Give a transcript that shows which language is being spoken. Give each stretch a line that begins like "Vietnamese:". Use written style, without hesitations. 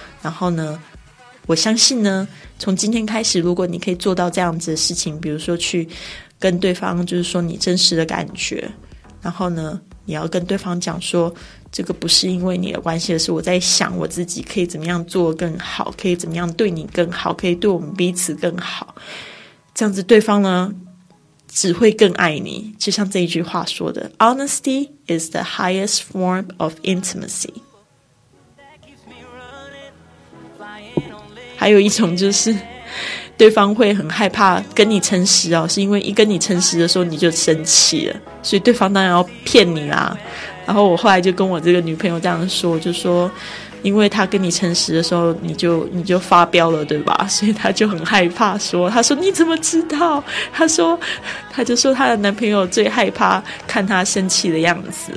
Chinese: 然后呢我相信呢从今天开始，如果你可以做到这样子的事情，比如说去跟对方就是说你真实的感觉，然后呢你要跟对方讲说这个不是因为你的关系，而是我在想我自己可以怎么样做更好，可以怎么样对你更好，可以对我们彼此更好，这样子对方呢只会更爱你，就像这一句话说的
English: Honesty is the highest form of intimacy。
Chinese: 还有一种就是对方会很害怕跟你诚实哦，是因为一跟你诚实的时候你就生气了，所以对方当然要骗你啦。然后我后来就跟我这个女朋友这样说，就说因为他跟你诚实的时候你就发飙了对吧，所以他就很害怕，说他说你怎么知道，他就说他的男朋友最害怕看他生气的样子。